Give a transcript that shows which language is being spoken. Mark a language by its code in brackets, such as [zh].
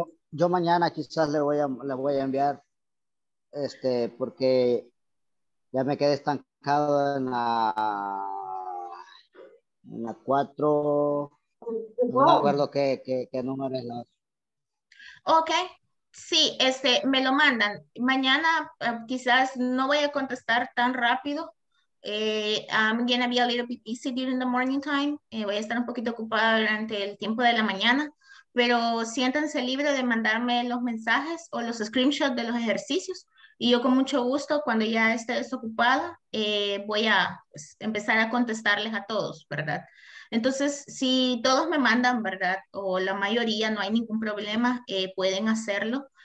[es] Yo mañana quizás le voy a enviar porque ya me quedé estancado en la 4. No me acuerdo qué número es la. Ok. Sí, me lo mandan. Mañana quizás no voy a contestar tan rápido. [en] I'm going to be a little bit busy during the morning time. [es] Voy a estar un poquito ocupada durante el tiempo de la mañana. Pero siéntanse libre de mandarme los mensajes o los screenshots de los ejercicios. Y yo con mucho gusto, cuando ya esté desocupada, voy a empezar a contestarles a todos, ¿verdad? Entonces, si todos me mandan, ¿verdad? O la mayoría, no hay ningún problema, pueden hacerlo.